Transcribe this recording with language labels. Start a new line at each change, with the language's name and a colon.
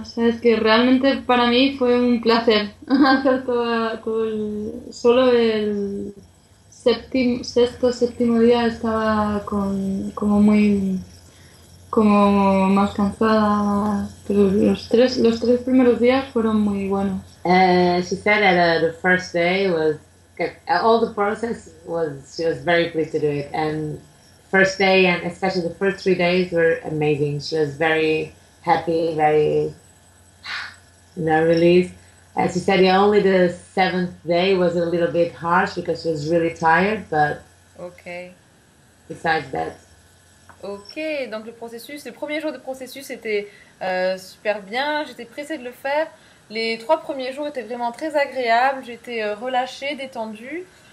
Spanish: O sea, es que realmente para mí fue un placer hacer solo el séptimo día estaba como muy como más cansada, pero los tres primeros días fueron muy buenos.
English: She said that the first day was all the process was she was very pleased to do it, and first day and especially the first 3 days were amazing. She was very happy, very, you know, released. As you said, only the seventh day was a little bit harsh because she was really tired, but okay. Besides that.
French: Ok, donc le processus, le premier jour de processus était super bien, j'étais pressée de le faire. Les trois premiers jours étaient vraiment très agréables, j'étais relâchée, détendue.